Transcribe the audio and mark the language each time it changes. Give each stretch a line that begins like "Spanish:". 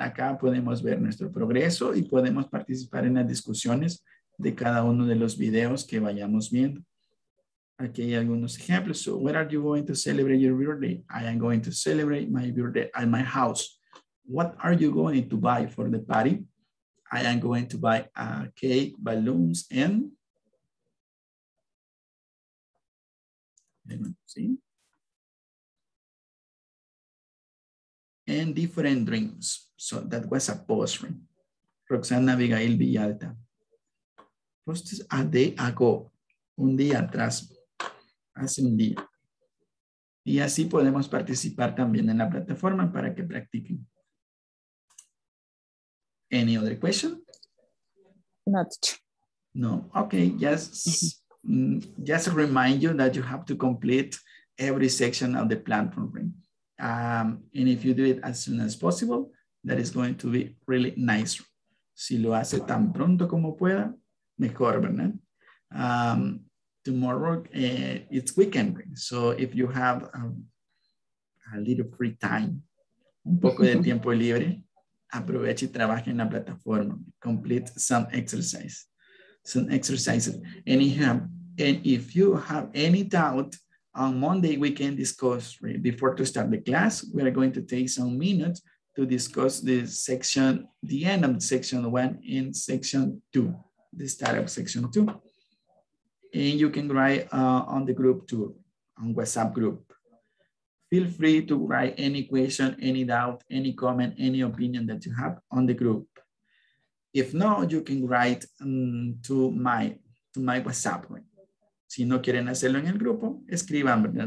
Spanish: Acá podemos ver nuestro progreso y podemos participar en las discusiones de cada uno de los videos que vayamos viendo. Aquí hay algunos ejemplos.
English: So, where are you going to celebrate your birthday? I am going to celebrate my birthday at my house. What are you going to buy for the party? I am going to buy a cake, balloons, and... and different drinks. So that was a post, right? Roxana Abigail Villalta. Posted a day ago,
Spanish: un día atrás, hace un día. Y así podemos participar también en la plataforma para que practiquen.
English: Any other question? Not. No, okay, just remind you that you have to complete every section of the platform, right? And if you do it as soon as possible, that is going to be really nice.
Spanish: Si lo hace tan pronto como pueda, mejor, ¿verdad?
English: Tomorrow, it's weekend. So if you have a little free time,
Spanish: un poco de tiempo libre, aproveche y trabaje en la plataforma.
English: Complete some exercise. Some exercises. And if you have any doubt, on Monday, we can discuss, right? Before to start the class, we are going to take some minutes to discuss the section, the end of section one and section two, the start of section two. And you can write on the group too, on WhatsApp group. Feel free to write any question, any doubt, any comment, any opinion that you have on the group. If not, you can write to my WhatsApp, right?
Spanish: Si no quieren hacerlo en el grupo, escriban, ¿verdad?